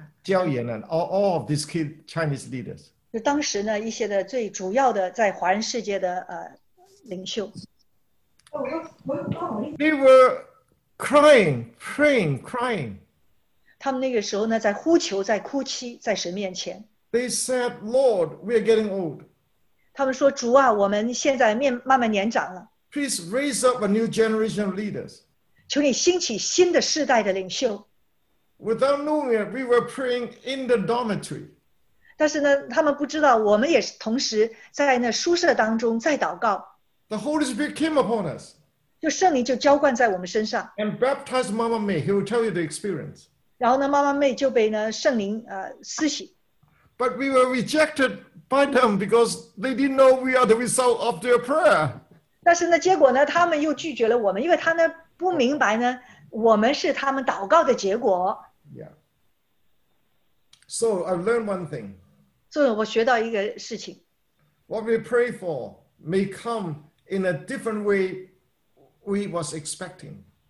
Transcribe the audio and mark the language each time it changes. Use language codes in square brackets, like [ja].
[en] Jiaoyan and all of these key Chinese leaders. [zh] 就当时呢, 一些的最主要的在华人世界的, 领袖, [en] they were crying. [zh] 他们那个时候呢, 在呼求, 在哭泣, 在神面前, [en] they said, Lord, we are getting old. [zh] 他们说, 主啊, 我们现在面, 慢慢年长了, [en] please raise up a new generation of leaders. [zh] 求你兴起新的世代的领袖。 [en] Without knowing it, we were praying in the dormitory. [zh] 但是呢, 他们不知道, 我们也同时在那宿舍当中, 在祷告, [en] the Holy Spirit came upon us. [zh] 就圣灵就浇灌在我们身上, [en] and baptized Mama May. He will tell you the experience. [zh] 然后呢, Mama May就被呢, 圣灵, 施洗, [en] but we were rejected by them because they didn't know we are the result of their prayer. [zh] 但是呢, 结果呢, 他们又拒绝了我们, 因为他呢, 不明白呢, 我们是他们祷告的结果。 [en] So I've learned one thing. [zh] 所以我学到一个事情。 [en] What we pray for may come in a different way we was expecting.